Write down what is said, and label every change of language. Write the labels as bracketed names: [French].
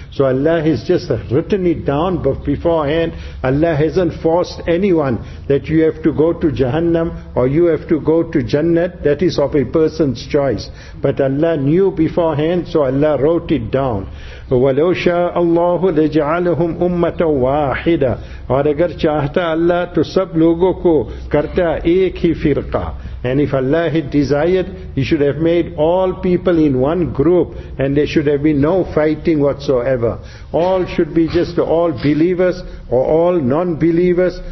[English] So Allah has just written it down beforehand. Allah hasn't forced anyone that you have to go to Jahannam or you have to go to Jannat. That is of a person's choice. But Allah knew beforehand, so Allah wrote it down. [Arabic] وَلَوْ شَاءَ اللَّهُ لَجْعَلَهُمْ أُمَّةً وَاحِدًا. [Urdu] اور اگر چاہتا اللہ تو سب لوگوں کو کرتا ایک ہی فرقہ. [English] And if Allah had desired, He should have made all people in one group, and there should have been no fighting whatsoever. All should be just all believers or all non-believers.